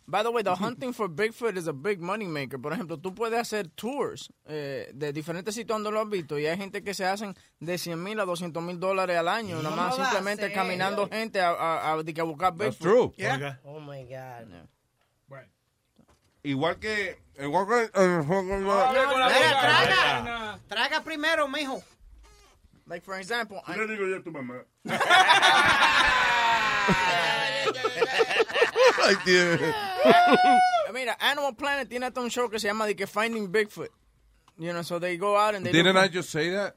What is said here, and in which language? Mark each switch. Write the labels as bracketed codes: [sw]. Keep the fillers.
[en] By the way, the hunting for Bigfoot is a big money maker. [es] Por ejemplo, tú puedes hacer tours eh, de diferentes sitios donde lo has visto y hay gente que se hacen de 100 mil a doscientos mil dólares al año, nada más simplemente caminando gente a, buscar [en] Bigfoot. Yeah. Yeah. Oh my God. Yeah. Right. Right. [es] Igual que. Igual que. No. No, no, na, la, la, la, traga. Traga primero, mijo. [en] Like, for example. [es] Mira, Animal Planet tiene hasta un show que se llama de que Finding Bigfoot. [en] You know, so they go out and they didn't I just say that?